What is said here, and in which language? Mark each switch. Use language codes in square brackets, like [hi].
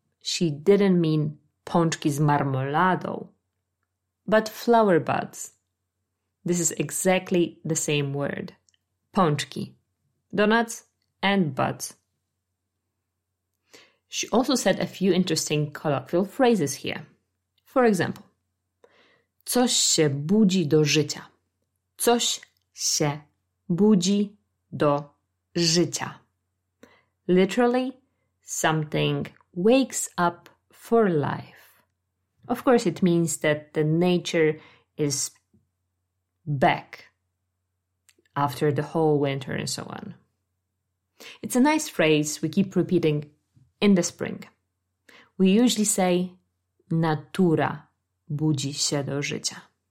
[en] She didn't mean [pl] pączki z marmoladą, [en] but flower buds. This is exactly the same word. Pączki. Donuts and buds. She also said a few interesting colloquial phrases here. For example, [pl] coś się budzi do życia. Coś się budzi do życia. [en] Literally, something wakes up for life. Of course, it means that the nature is back after the whole winter and so on. It's a nice phrase we keep repeating in the spring. We usually say [pl] natura budzi się do życia.